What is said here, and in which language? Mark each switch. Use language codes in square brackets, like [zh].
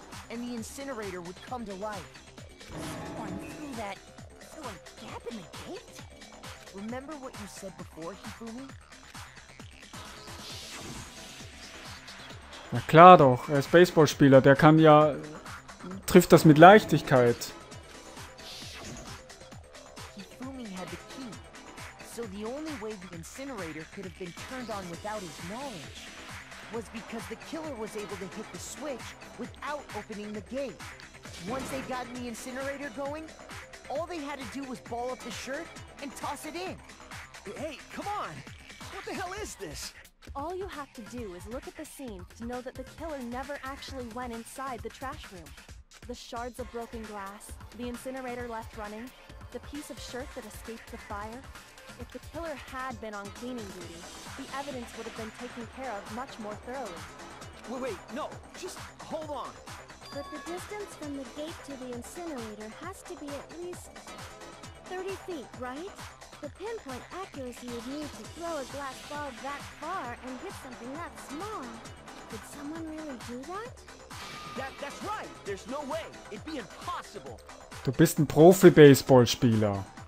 [en] And the incinerator would come to life. Someone threw that through a gap in the gate? Remember what you said before, Hifumi? [de] Na klar doch, er ist Baseballspieler, der kann ja... trifft das mit Leichtigkeit. [en] Hifumi had the key. So the only way the incinerator could have been turned on without his knowledge. Was because the killer was able to hit the switch without opening the gate. Once they got the incinerator going, all they had to do was ball up the shirt and toss it in. Hey, come on! What the hell is this? All you have to do is look at the scene to know that the killer never actually went inside the trash room. The shards of broken glass, the incinerator left running, the piece of shirt that escaped the fire. If the killer had been on cleaning duty, the evidence would have been taken care of much more thoroughly. Wait, wait, no! Just hold on! But the distance from the gate to the incinerator has to be at least 30 feet, right? The pinpoint accuracy you'd need to throw a glass ball that far and hit something that small. Could someone really do that? That's right! There's no way! It'd be impossible! [de] Du bist ein Profi-Baseballspieler.